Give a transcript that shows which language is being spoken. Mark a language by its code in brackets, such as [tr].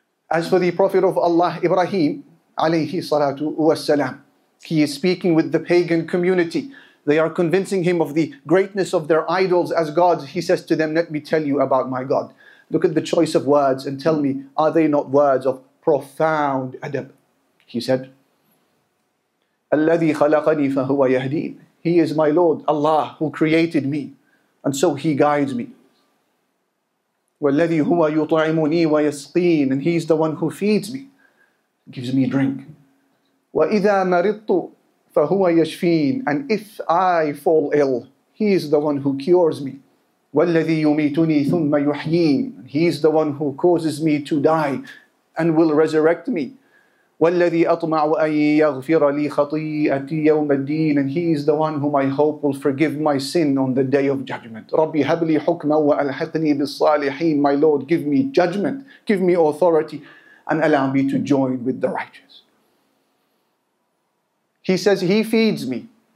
[en] As for the Prophet of Allah, Ibrahim alayhi salatu wassalam, he is speaking with the pagan community. They are convincing him of the greatness of their idols as gods. He says to them, let me tell you about my God. Look at the choice of words and tell me, are they not words of profound adab? He said, [ar] الَّذِي خَلَقَنِي فَهُوَ يَهْدِينَ. [en] He is my Lord, Allah, who created me, and so He guides me. [ar] وَالَّذِي هُوَ يُطْعِمُنِي وَيَسْقِينَ. [en] And He is the one who feeds me, gives me drink. [ar] وَإِذَا مَرِضْتُ فَهُوَ يَشْفِينَ. [en] And if I fall ill, He is the one who cures me. [ar] وَالَّذِي يُمِيتُنِي ثُمَّ يُحْيِينَ. [en] He is the one who causes me to die and will resurrect me. [ar] وَالَّذِي أَطْمَعُ أَن يَغْفِرَ لِي خَطِيئَتِي يَوْمَ الدِّينِ. [en] And He is the one whom I hope will forgive my sin on the Day of Judgment. [ar] رَبِّ هَبْ لِي حُكْمًا وَأَلْحِقْنِي بِالصَّالِحِينَ. [en] My Lord, give me judgment, give me authority, and allow me to join with the righteous. He says, He feeds me.